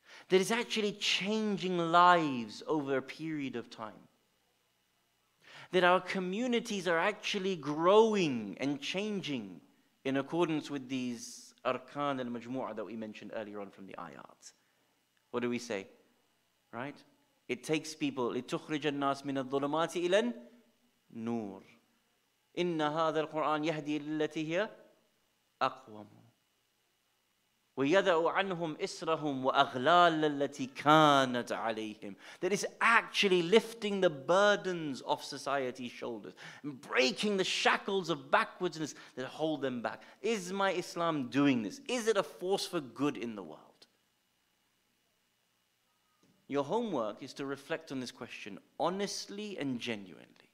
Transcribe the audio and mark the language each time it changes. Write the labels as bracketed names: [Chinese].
[English] That is actually changing lives over a period of time. That our communities are actually growing and changing in accordance with these arkan al-majmu'ah that we mentioned earlier on from the ayat. What do we say? Right? It takes people. [Arabic] لتخرج الناس من الظلمات إلى النور. إن هذا القرآن يهدي للتي هي أقوم. ويدع عنهم إسرهم وأغلال التي كانت عليهم. [English] That is actually lifting the burdens off society's shoulders and breaking the shackles of backwardness that hold them back. Is my Islam doing this? Is it a force for good in the world? Your homework is to reflect on this question honestly and genuinely.